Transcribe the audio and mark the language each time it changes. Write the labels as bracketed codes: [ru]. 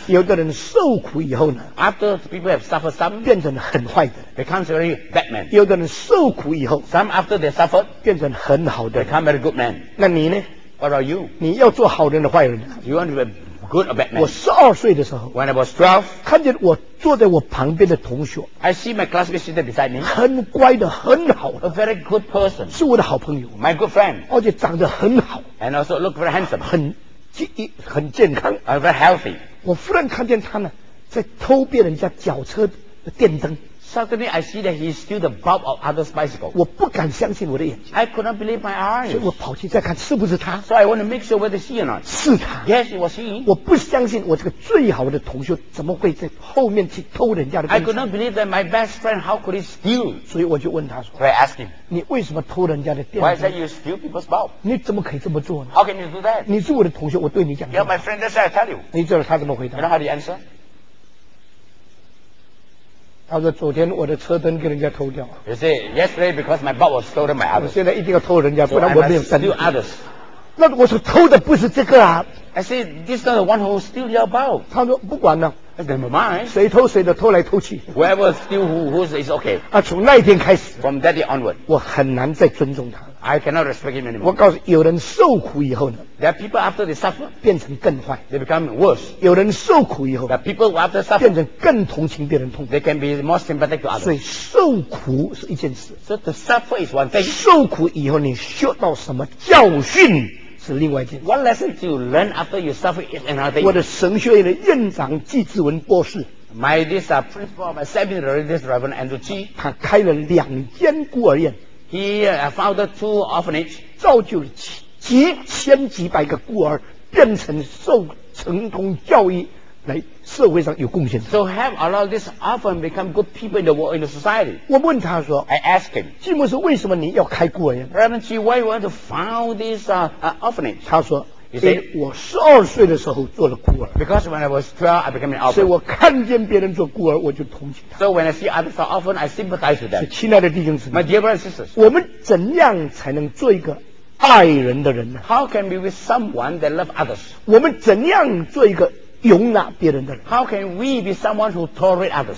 [zh] 有的人受苦以后呢 [en] After people have suffered some [zh] 变成很坏的 [en] Becomes a very bad man [zh] 有的人受苦以后 [en] Some after they suffered [zh] 变成很好的 [en] Become a very good man [zh] 那你呢 [en] What are you? [zh] 你要做好人的坏人 [en] You want to be good or bad man [zh] 我12岁的时候 [en] When I was 12 [zh] 看见我坐在我旁边的同学 [en] I see my classmate sitting beside me [zh] 很乖的很好的 [en] A very good person [zh] 是我的好朋友 [en] My good friend [zh] 而且长得很好 [en] And also look very handsome [zh] 很健康 [en] I'm very healthy [zh] 我忽然看见他呢在偷别人家脚车的电灯 [en] Suddenly I see that he steal the bulb of other's bicycle [zh] 我不敢相信我的眼睛 [en] I could not believe my eyes [zh] 所以我跑去再看是不是他 [en] So I want to make sure whether he or not [zh] 是他 [en] Yes it was he [zh] 我不相信我这个最好的同学怎么会在后面去偷人家的 [en] 电灯 I could not believe that my best friend how could he steal [zh] 所以我就问他说 [en] So I asked him [zh] 你为什么偷人家的电灯 [en] Why is that you steal people's bulb [zh] 你怎么可以这么做呢 [en] How can you do that [zh] 你是我的同学我对你讲 [en] Yeah my friend that's what I tell you [zh] 你知道他怎么回答 [en] You know how to answer [zh] 他说昨天我的车灯给人家偷掉 [en] You see, yesterday because my bulb was stolen by others [zh] 我现在一定要偷人家不然我没有灯 [en] So I must steal others [zh] 那我说偷的不是这个啊 [en] I see, this is not the one who steal your bulb [zh] 他说不管了 [en] Never mind [zh] 谁偷谁的偷来偷去 [en] Whoever steal whose is okay [zh] 啊，从那一天开始 [en] From that day onward [zh] 我很难再尊重他 [en] I cannot respect him anymore [zh] 我告诉有人受苦以后呢 [en] There are people after they suffer [zh] 变成更坏 [en] They become worse [zh] 有人受苦以后 [en] The people after suffer [zh] 变成更同情别人痛苦 [en] They can be more sympathetic to others [zh] 所以受苦是一件事 [en] So to suffer is one thing [zh] 受苦以后你学到什么教训是另外一件事 [en] What lesson do you learn after you suffer is another thing [zh] 我的神学院的院长纪志文博士 [en] My this principal of my seminary this Reverend Andrew G [zh] 他开了两间孤儿院 [en] He founded two orphanage [zh] 造就了 几千几百个孤儿变成受成功教育来社会上有贡献的 [en] So have a lot of these orphans become good people in the world, in the society [zh] 我问他说 [en] I asked him [zh] 季牧师为什么你要开孤儿院 [en] Reverend G, why you want to found this orphanage [zh] 他说 [en] He said [zh] 我12岁的时候做了孤儿 [en] Because when I was 12, I became an orphan [zh] 所以我看见别人做孤儿我就同情他 [en] So when I see others are orphan, I sympathize with them [zh] 亲爱的弟兄姊妹 [en] My dear brothers and sisters [zh] 我们怎样才能做一个爱人的人呢 [en] How can we be with someone that loves others [zh] 我们怎样做一个容纳别人的人 [en] How can we be someone who tolerate others